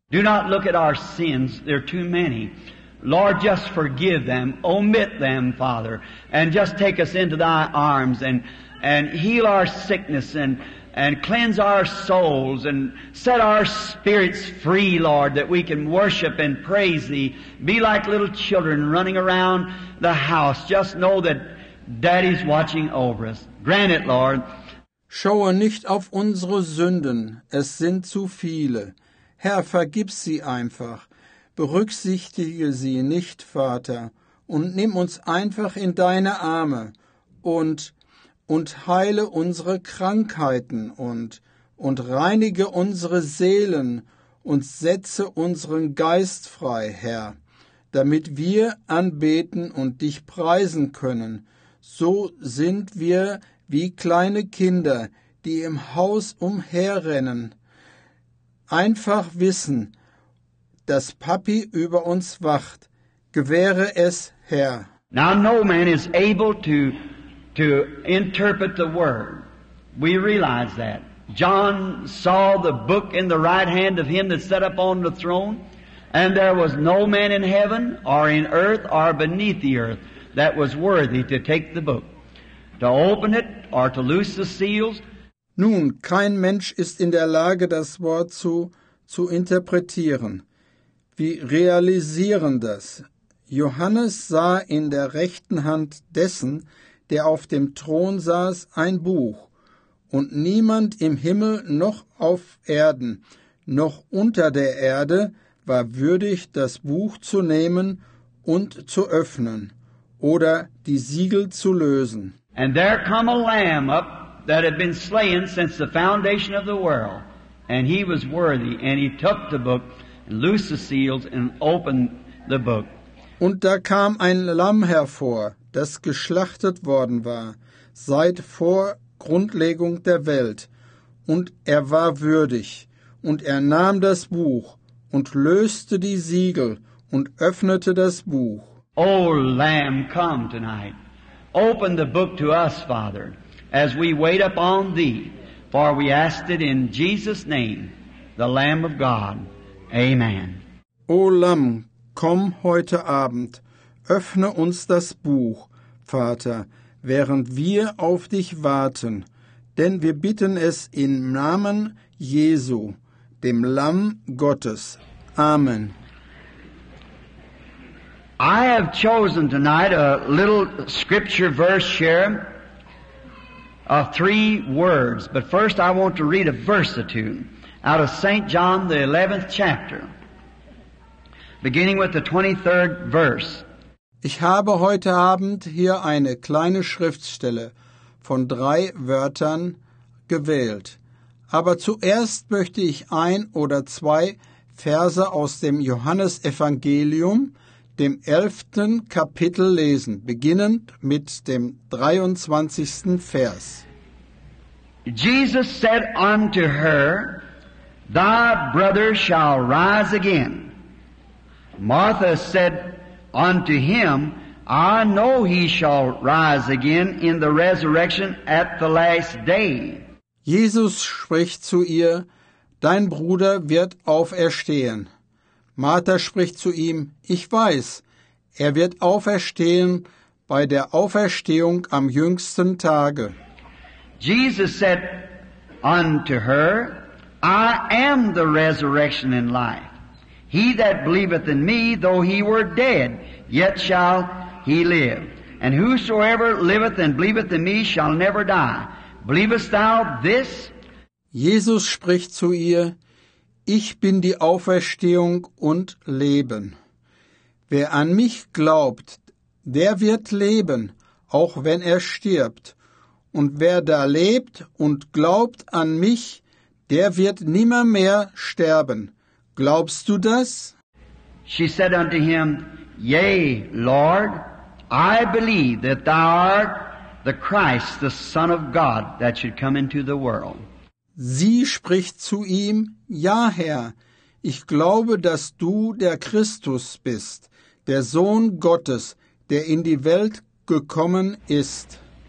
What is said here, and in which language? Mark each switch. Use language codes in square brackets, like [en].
[en] Do not look at our sins. There are too many. Lord, just forgive them, omit them, Father, and just take us into thy arms and and heal our sickness and cleanse our souls and set our spirits free, Lord, that we can worship and praise Thee. Be like little children running around the house. Just know that Daddy's watching over us. Grant it, Lord. [de] Schaue nicht auf unsere Sünden, es sind zu viele. Herr, vergib sie einfach. Berücksichtige sie nicht, Vater, und nimm uns einfach in deine Arme und heile unsere Krankheiten und reinige unsere Seelen und setze unseren Geist frei, Herr, damit wir anbeten und dich preisen können. So sind wir wie kleine Kinder, die im Haus umherrennen, einfach wissen, dass Papi über uns wacht. Gewähre es, Herr. [en] Now no man is able to interpret the word. We realize that. John saw the book in the right hand of him that sat upon the throne, and there was no man in heaven or in earth or beneath the earth that was worthy to take the book, to open it or to loose the seals. [de] Nun, kein Mensch ist in der Lage, das Wort zu interpretieren. Wir realisieren das. Johannes sah in der rechten Hand dessen, der auf dem Thron saß, ein Buch, und niemand im Himmel noch auf Erden noch unter der Erde war würdig, das Buch zu nehmen und zu öffnen oder die Siegel zu lösen. [en] And there come a lamb up that had been slain since the foundation of the world, and he was worthy, and he took the book and loosed the seals and opened the book. [de] Und da kam ein Lamm hervor, das geschlachtet worden war, seit vor Grundlegung der Welt. Und er war würdig. Und er nahm das Buch und löste die Siegel und öffnete das Buch. [en] O Lamb, come tonight. Open the book to us, Father, as we wait upon Thee. For we ask it in Jesus' name, the Lamb of God. Amen. [de] O Lamm, komm heute Abend, öffne uns das Buch, Vater, während wir auf dich warten, denn wir bitten es im Namen Jesu, dem Lamm Gottes. Amen. [en] I have chosen tonight a little scripture verse here, three words, but first I want to read a verse or two out of St. John, the 11th chapter. Beginning with the 23rd verse. [de] Ich habe heute Abend hier eine kleine Schriftstelle von drei Wörtern gewählt. Aber zuerst möchte ich ein oder zwei Verse aus dem Johannesevangelium, dem 11. Kapitel lesen, beginnend mit dem 23. Vers. [en] Jesus said unto her, Thy brother shall rise again. Martha said unto him, I know he shall rise again in the resurrection at the last day. [de] Jesus spricht zu ihr, Dein Bruder wird auferstehen. Martha spricht zu ihm, Ich weiß, er wird auferstehen bei der Auferstehung am jüngsten Tage. [en] Jesus said unto her, I am the resurrection and life. He that believeth in me, though he were dead, yet shall he live. And whosoever liveth and believeth in me shall never die. Believest thou this? [de] Jesus spricht zu ihr, Ich bin die Auferstehung und Leben. Wer an mich glaubt, der wird leben, auch wenn er stirbt. Und wer da lebt und glaubt an mich, der wird nimmermehr sterben. Glaubst du das? [en] She said unto him, Yea, Lord, I believe that thou art the Christ, the Son of God, that should come into the world. [de] Sie spricht zu ihm, Ja, Herr, ich glaube, dass du der Christus bist, der Sohn Gottes, der in die Welt gekommen ist.